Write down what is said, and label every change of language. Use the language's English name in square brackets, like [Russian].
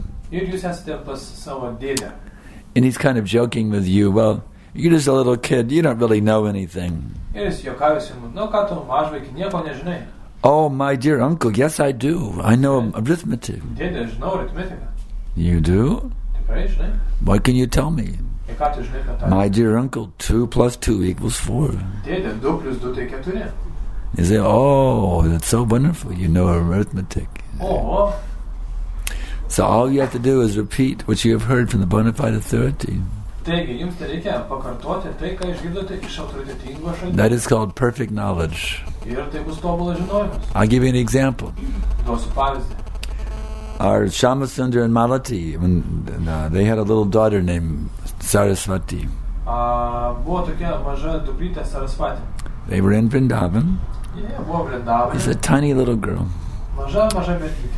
[Lithuanian] Ir jūs esate pas savo dėdę. [English] And he's kind of joking with you, well, you're just a little kid, you don't really know anything. [Lithuanian] Ir jis jokavėsi, nu ką tu maž vaikį, nieko nežinai. [English] Oh, my dear uncle, yes, I do. I know arithmetic. [Lithuanian] Dėdė, žinau arithmetiką. [English] You do? [Lithuanian] Tikrai, žinai. [English] Why can you tell me? [Lithuanian] Ir ką tu žinai, kad tai? [English] My dear uncle, 2 plus 2 equals 4. [Lithuanian] Dėdė, 2 plus 2 tai 4. [English] You say, oh, that's so wonderful, you know arithmetic. Oh. So all you have to do is repeat what you have heard from the bona fide authority. [Lithuanian] Taigi, jums tai reikia pakartoti tai, ką išgirdote iš autoritetingo šaltinio. [English] That is called perfect knowledge. [Lithuanian] Ir tai bus tobulas žinojimas. [English] I'll give you an example. [Lithuanian] Duosiu pavyzdį. [English] Our Shyamasundara and Malati, when they had a little daughter named Sarasvati. [Lithuanian] Buvo tokia maža dukrytė Sarasvati. [English] They were in Vrindavan. [Lithuanian] Yeah, buvo Vrindavan. [English] It's a tiny little girl. [Lithuanian] Maža mergytė.